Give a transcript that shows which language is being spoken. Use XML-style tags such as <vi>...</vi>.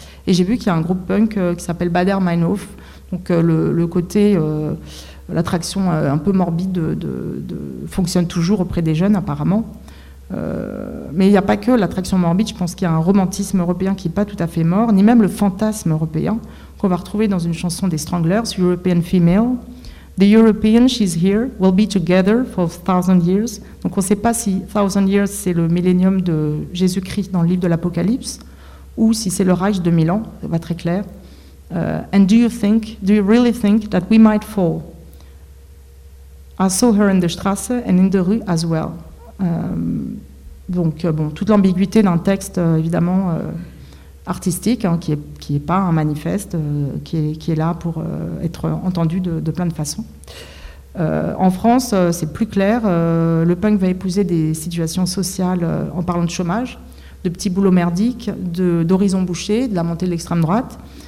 <fr>Et j'ai vu qu'il y a un groupe punk qui s'appelle Bader Meinhof, donc le côté, l'attraction un peu morbide de fonctionne toujours auprès des jeunes, apparemment. Mais il n'y a pas que l'attraction morbide, je pense qu'il y a un romantisme européen qui n'est pas tout à fait mort, ni même le fantasme européen qu'on va retrouver dans une chanson des Stranglers, « European Female ».</fr> <en>The European, she's here, will be together for 1,000 years.</en> <fr>Donc on ne sait pas si</fr> <en>1,000 years,</en> <fr>c'est le millénium de Jésus-Christ dans le livre de l'Apocalypse, ou si c'est le Reich de 1000 ans, ça va très clair.</fr> <en>And do you really think that we might fall? I saw her in the Straße and in the rue as well.</en> <fr>Donc, toute l'ambiguïté d'un texte, évidemment, artistique, hein, qui est pas un manifeste, qui est là pour être entendu de plein de façons. En France, c'est plus clair, le punk va épouser des situations sociales en parlant de chômage, de petits boulots merdiques, d'horizons bouchés, de la montée de l'extrême droite.</fr>